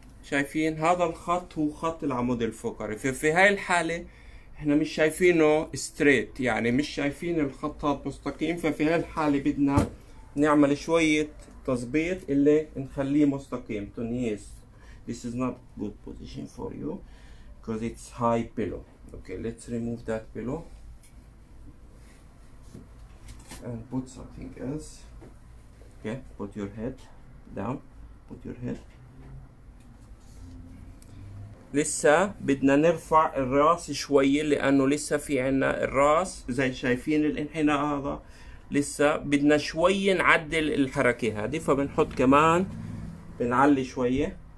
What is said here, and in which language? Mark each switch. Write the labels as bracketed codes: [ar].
[ar] شايفين هذا الخط هو خط العمود الفقري. في هاي الحالة احنا مش شايفينه ستريت، يعني مش شايفين الخطاط مستقيم. ففي هاي الحالة بدنا نعمل شوية تظبيط اللي نخليه مستقيم. [en] تونيس this is not good position for you because it's high pillow. Okay, let's remove that pillow and put something else. Okay, put your head down, put your head. [ar] لسه بدنا نرفع الراس شوية، لأنه لسه في عنا الراس زي شايفين الانحناء هذا. لسه بدنا شوية نعدل الحركة هذه، فبنحط كمان بنعلي شوية.